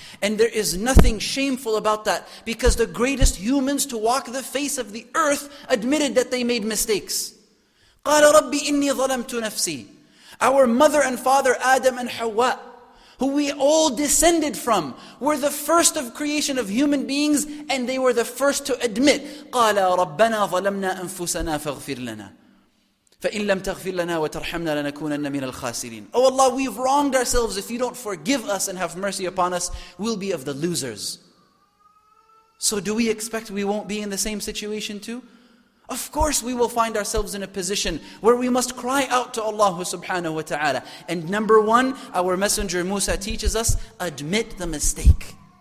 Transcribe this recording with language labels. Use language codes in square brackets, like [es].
[en] And there is nothing shameful about that, because the greatest humans to walk the face of the earth admitted that they made mistakes. [ar] قَالَ رَبِّ إِنِّي ظَلَمْتُ نَفْسِي [en] Our mother and father Adam and Hawa, who we all descended from, were the first of creation of human beings, and they were the first to admit. [ar] قَالَ رَبَّنَا ظَلَمْنَا أَنفُسَنَا فَاغْفِرْ لَنَا فَإِنْ لَمْ تَغْفِرْ لَنَا وَتَرْحَمْنَا لَنَكُونَنَّ مِنَ الْخَاسِرِينَ [en] Oh Allah, we've wronged ourselves. If you don't forgive us and have mercy upon us, we'll be of the losers. So do we expect we won't be in the same situation too? Of course we will find ourselves in a position where we must cry out to Allah subhanahu wa ta'ala. And number one, our messenger Musa teaches us, admit the mistake.